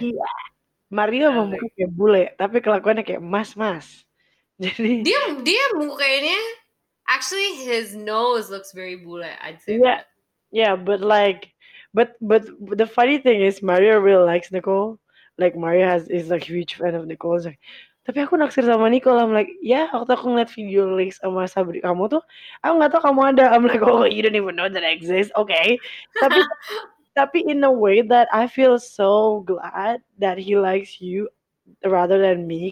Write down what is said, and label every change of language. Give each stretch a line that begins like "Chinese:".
Indonesian: Yeah. Mario memukul kayak bule, tapi kelakuannya kayak mas. Jadi dia mukanya
English: actually his nose looks very bule. I'd say. Yeah, that. Yeah, but the funny thing is Mario really likes Nicole. Like Mario is a huge fan of Nicole. Like,
Indonesian: tapi aku naksir sama Nicole.
English: I'm like, yeah.
Indonesian: Waktu aku ngeliat video link sama Sabri kamu tuh, aku nggak tahu kamu ada.
English: I'm like, oh, you don't even know that I exist. Okay. Tapi in a way that I feel so glad that he likes you rather than me.